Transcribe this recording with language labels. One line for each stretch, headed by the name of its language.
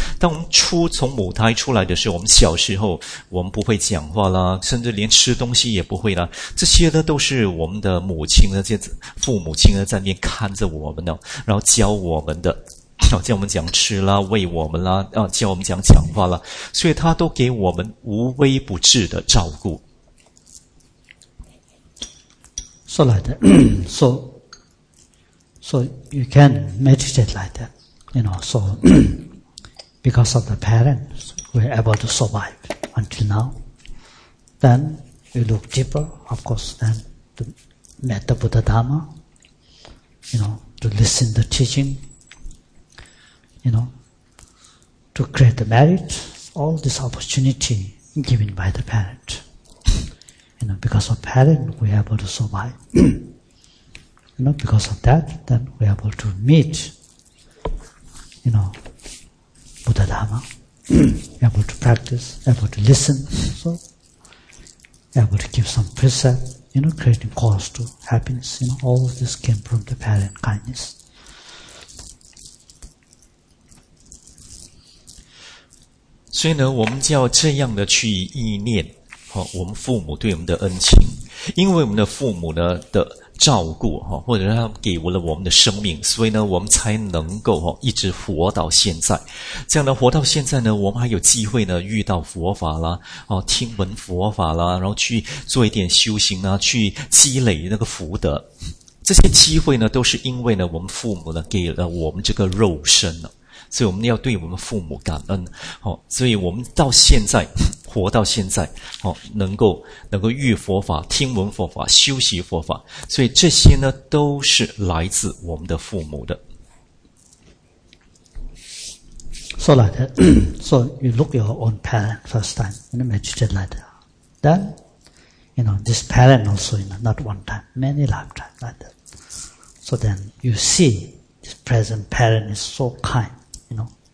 Chinese: 当我们从母胎出来的时候，我们小时候，我们不会讲话啦，甚至连吃东西也不会啦。这些呢都是我们的母亲呢，这父母亲呢在那边看着我们呢，然后教我们的，教我们讲吃啦，喂我们啦，教我们讲话啦，所以他都给我们无微不至的照顾。
English: So like that, so you can meditate like that, you know, so because of the parents, we're able to survive until now. Then you look deeper, of course, then to meet the Buddha Dharma, you know, to listen to teaching, you know, to create the merit, all this opportunity given by the parent. You know, because of parent, we are able to survive. You know, because of that, then we are able to meet, you know, Buddha Dharma. Able to practice, able to listen, so, able to give some precept, you know, creating cause to happiness, you know, all of this came from the parent kindness.
Chinese: 所以呢，我们就要这样的去意念。我们父母对我们的恩情，因为我们的父母呢的照顾，或者他给了我们的生命，所以呢我们才能够一直活到现在。这样呢活到现在呢，我们还有机会呢遇到佛法啦，听闻佛法啦，然后去做一点修行啊，去积累那个福德。这些机会呢都是因为呢我们父母呢给了我们这个肉身了。所以我们要对我们父母感恩、哦、所以我们到现在活到现在、哦、能够遇佛法听闻佛法修习佛法，所以这些呢都是来自我们的父母的。
English: So like that, so you look your own parent first time, and imagine it like that. Then, you know, this parent also, you know, not one time, many lifetimes like that. So then you see this present parent is so kind, you know.